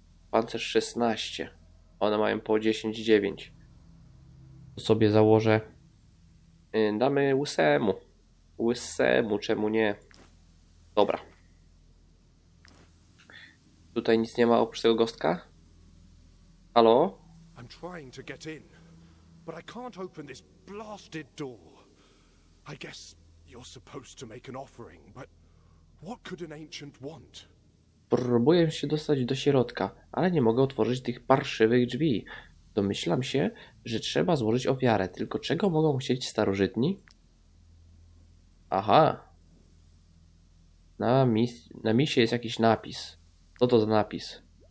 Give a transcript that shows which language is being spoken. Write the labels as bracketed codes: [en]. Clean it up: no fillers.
[pl] Pancerz 16. One mają po 10-9. To sobie założę... Damy łysemu. Łysemu, czemu nie? Dobra. Tutaj nic nie ma oprócz tego gostka? Halo? [en] I'm trying to get in, but I can't open this blasted door. I guess you're supposed to make an offering, but what could an ancient want? [pl] Próbuję się dostać do środka, ale nie mogę otworzyć tych parszywych drzwi. Domyślam się, że trzeba złożyć ofiarę. Tylko czego mogą chcieć starożytni? Aha. Na misie jest jakiś napis. Co to za napis?